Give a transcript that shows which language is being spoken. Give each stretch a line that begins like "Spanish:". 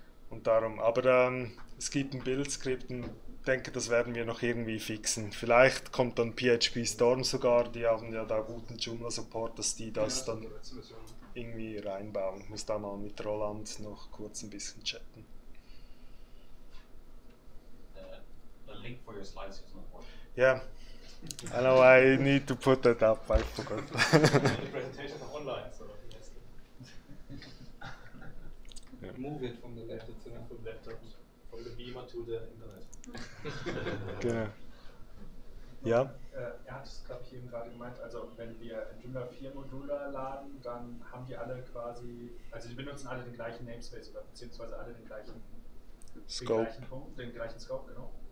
German: Und darum, aber es gibt ein Build-Skript, ich denke, das werden wir noch irgendwie fixen. Vielleicht kommt dann PHP Storm sogar, die haben ja da guten Joomla-Support, dass die das dann irgendwie reinbauen. Ich muss da mal mit Roland noch kurz ein bisschen chatten.
English: The link for your slides is not working. Yeah. I know I need to put that up, I forgot. The presentation is online, so yes. Yeah. Move it from the laptop to the laptop, from the beamer to the internet.
German: Genau. Ja? Er hat es, glaube ich, eben gerade gemeint, also wenn wir in Joomla 4 Module laden, dann haben die alle quasi, also die benutzen alle den gleichen Namespace, oder beziehungsweise alle den gleichen Scope. Den gleichen Scope, genau.